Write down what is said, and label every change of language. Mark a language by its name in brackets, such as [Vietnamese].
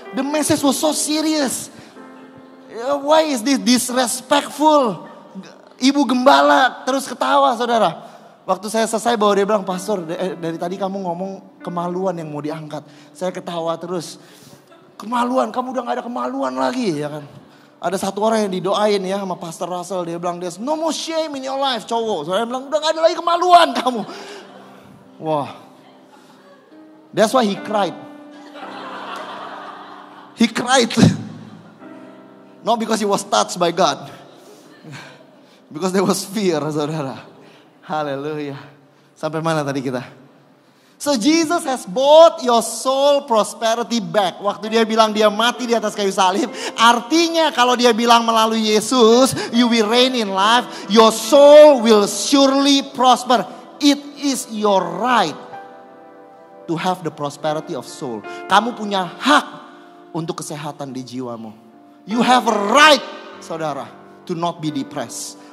[English] The message was so serious. Why is this disrespectful? [Indonesian] Ibu gembala terus ketawa saudara. Waktu saya selesai bahwa dia bilang, pastor dari tadi kamu ngomong kemaluan yang mau diangkat. Saya ketawa terus. Kemaluan, kamu udah gak ada kemaluan lagi ya kan. Ada satu orang yang didoain ya sama Pastor Russell. [English] Dia bilang, there's no more shame in your life, cowok. [Indonesian] Saya bilang, udah gak ada lagi kemaluan kamu. Wah. [English] That's why he cried. He cried. Not because he was touched by God. Because there was fear, saudara. Hallelujah. [Indonesian] Sampai mana tadi kita? [English] So Jesus has bought your soul prosperity back. [Indonesian] Waktu dia bilang dia mati di atas kayu salib, artinya kalau dia bilang melalui Yesus, [English] you will reign in life, your soul will surely prosper. It is your right to have the prosperity of soul. [Indonesian] Kamu punya hak untuk kesehatan di jiwamu. [English] You have a right, saudara, to not be depressed.